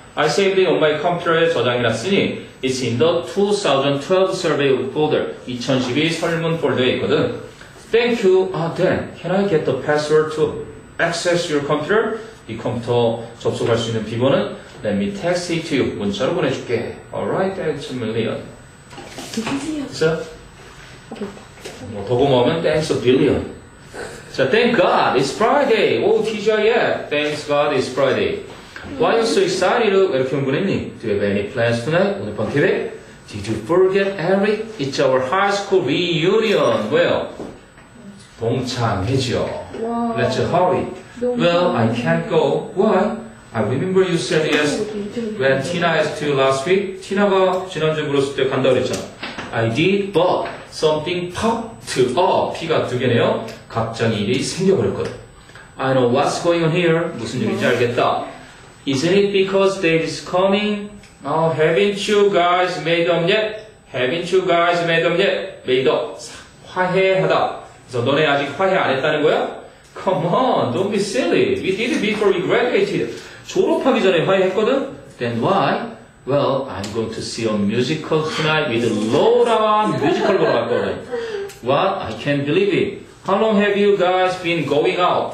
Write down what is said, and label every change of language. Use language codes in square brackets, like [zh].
[en] I saved it on my computer에 [ko] 저장해놨으니 [en] It's in the 2012 survey folder. [ko] 2012 설문 폴더에 있거든. [en] Thank you. Then, can I get the password to access your computer? [ko] 이 컴퓨터 접속할 수 있는 비번은? [en] Let me text it to you. [ko] 문자로 보내줄게. [en] Alright, thanks a million. So, [ko] 뭐 더 고마우면 [en] thanks a billion. So, thank God, it's Friday. Oh, TGIF. Thanks God, it's Friday. Why are you so excited? [ko] 왜 이렇게 흥분했니? [en] Do you have any plans tonight? [ko] 오늘 밤 계획? [en] Did you forget Eric? It's our high school reunion. Well, [ko] 동창회죠. [en] Wow. Let's hurry. Well, I can't go. Why? I remember you said yes when Tina asked you last week. [ko] Tina가 지난주에 물었을 때 간다고 했잖아. [en] I did, but something popped up. [ko] P가 두 개네요. 갑자기 일이 생겨버렸거든. [en] I know what's going on here. [ko] 무슨 일인지 알겠다. [en] Isn't it because Dave is coming? Oh, haven't you guys made up yet? Haven't you guys made up yet? Made up. [ko] 화해하다. 그래서 너네 아직 화해 안 했다는 거야? [en] Come on, don't be silly. We did it before we graduated. [ko] 졸업하기 전에 화해했거든? [en] Then why? Well, I'm going to see a musical tonight with Laura. Musical [ko] 보러 갔거든. [en] What? I can't believe it. How long have you guys been going out?